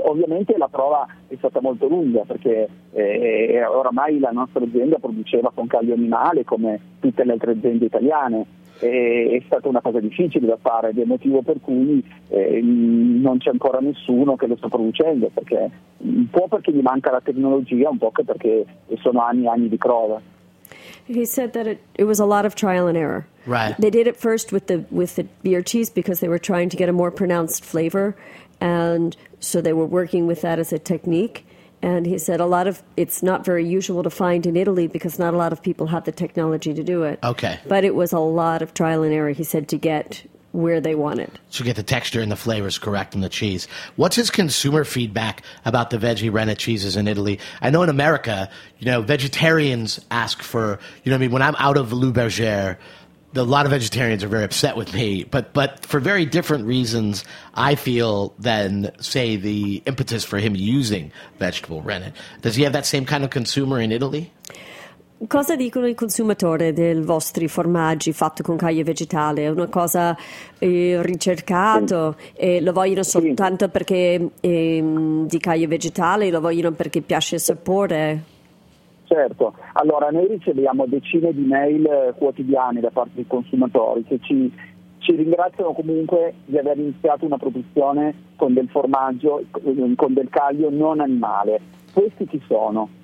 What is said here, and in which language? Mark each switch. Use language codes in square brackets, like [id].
[it] Ovviamente la prova è stata molto lunga perché oramai la nostra azienda produceva con caglio animale come tutte le altre aziende italiane. È stata una cosa difficile da fare ed è motivo per cui non c'è ancora nessuno che lo sta producendo, perché un po' perché gli manca la tecnologia, un po' perché sono anni e anni di prova. [en] He said that it was a lot of trial and error. Right. They did it first with the beer cheese because they were trying to get a more pronounced flavor, and so they were working with that as a technique. And he said it's not very usual to find in Italy because not a lot of people have the technology to do it. Okay. But it was a lot of trial and error, he said, to get where they want it. So get the texture and the flavors correct in the cheese. What's his consumer feedback about the veggie rennet cheeses in Italy? I know in America, you know, vegetarians ask for, you know, I mean, when I'm out of Le Berger, a lot of vegetarians are very upset with me, but for very different reasons, I feel, than, say, the impetus for him using vegetable rennet. Does he have that same kind of consumer in Italy? [it] Cosa dicono i consumatori dei vostri formaggi fatti con caglia vegetale? È una cosa ricercata? Lo vogliono soltanto perché è di caglia vegetale? Lo vogliono perché piace il sapore? Certo. Allora, noi riceviamo decine di mail quotidiane da parte dei consumatori che ci ringraziano comunque di aver iniziato una produzione con del formaggio, con del caglio non animale. Questi chi sono?